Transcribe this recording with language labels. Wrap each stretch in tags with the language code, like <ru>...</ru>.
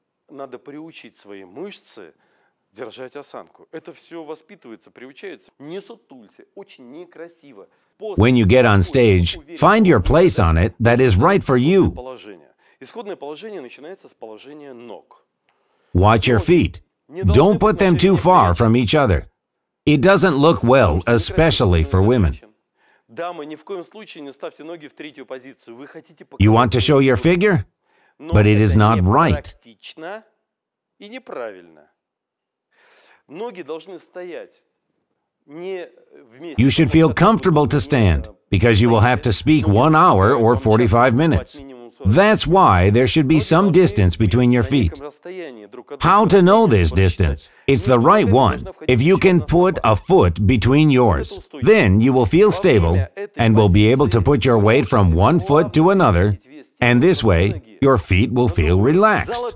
<ru>надо приучить свои мышцы держать осанку. Это все воспитывается, приучается. Не сутулься, очень некрасиво.</ru> <en>When you get on stage, find your place on it that is right for you.</en> <ru>Исходное положение начинается с положения ног.</ru> <en>Watch your feet. Don't put them too far from each other. It doesn't look well, especially for women.</en> <ru>Дамы, ни в коем случае не ставьте ноги в третью позицию. Вы хотите</ru> <en>показать... You want to show your figure? But it is not right.</en> <ru>Практично и неправильно. Ноги должны стоять не вместе.</ru> <en>You should feel comfortable to stand, because you will have to speak 1 hour or 45 minutes. That's why there should be some distance between your feet. How to know this distance? It's the right one. If you can put a foot between yours, then you will feel stable and will be able to put your weight from one foot to another, and this way, your feet will feel relaxed.</en>